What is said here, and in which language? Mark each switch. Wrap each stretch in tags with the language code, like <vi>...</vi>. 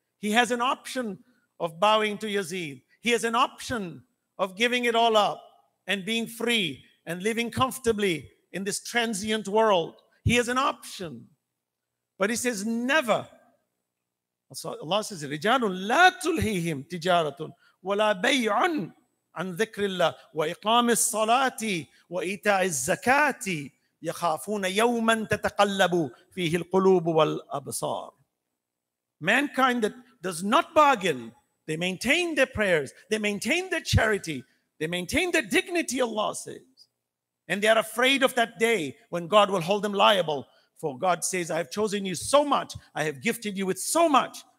<en>He has an option of bowing to Yazid. He has an option of giving it all up and being free and living comfortably in this transient world. He has an option. But he says, never. So Allah says,</en> <ar>رِجَالٌ لَا تُلْهِيهِمْ تِجَارَةٌ وَلَا بَيْعٌ عَنْ ذِكْرِ اللَّهِ وَإِقَامِ الصَّلَاةِ وَإِيتَاءِ الزَّكَاةِ يَخَافُونَ يَوْمًا تَتَقَلَّبُ فِيهِ الْقُلُوبُ وَالْأَبْصَارُ.</ar> <en>Mankind that does not bargain, they maintain their prayers, they maintain their charity, they maintain their dignity, Allah says. And they are afraid of that day when God will hold them liable. For God says, I have chosen you so much, I have gifted you with so much.</en>